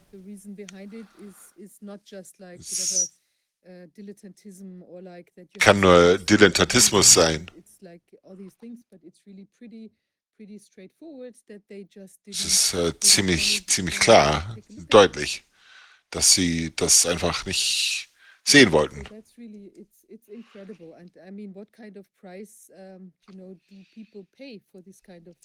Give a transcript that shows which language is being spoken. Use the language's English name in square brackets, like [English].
[English] the reason behind it is not just like whatever dilettantism or like that, [German] kann nur Dilettantismus sein. [English] It's like all these things, but it's really pretty straightforward that they just didn't. [German] Es ist ziemlich klar, deutlich, dass sie das einfach nicht sehen wollten. [English] That's really, it's incredible. And I mean, what kind of price, you know, do people pay for this kind of?